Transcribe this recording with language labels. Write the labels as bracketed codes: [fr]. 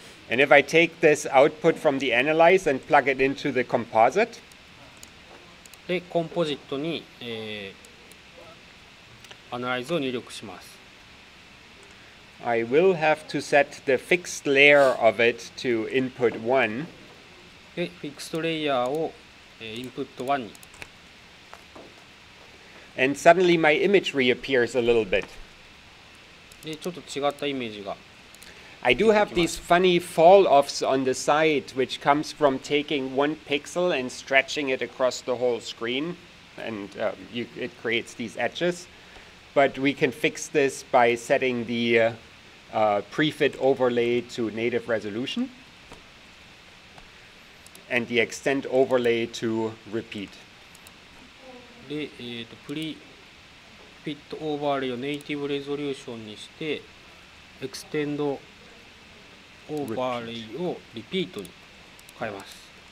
[en] And if I take this output from the analyze and plug it into the composite? [ja] で、コンポジットに、アナライズを入力します。 [en] I will have to set the fixed layer of it to input 1. [ja] で、fixed layer を input 1に。 [en] And suddenly my image reappears a little bit. [ja] で、ちょっと違ったイメージが。 [en] I do have these funny fall-offs on the side, which comes from taking one pixel and stretching it across the whole screen, and it creates these edges. But we can fix this by setting the prefit overlay to native resolution, and the extent overlay to repeat. [ja] で、プリフィットオーバーレイをネイティブレゾリューションにしてエクステンドオーバーレイをリピートに変えます。